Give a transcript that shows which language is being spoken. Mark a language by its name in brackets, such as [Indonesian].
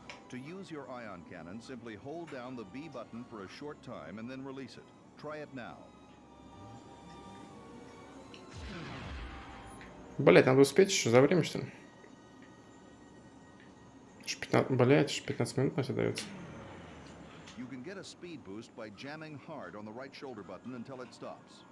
[English] To use your ion cannon, simply hold down the B button for a short time and then release it. Try it now. [Russian] Блять, надо успеть еще за время, что ли? Еще 15, блять, еще 15 минут нафиг дается. [English] You can get a speed boost by jamming hard on the right shoulder button until it stops.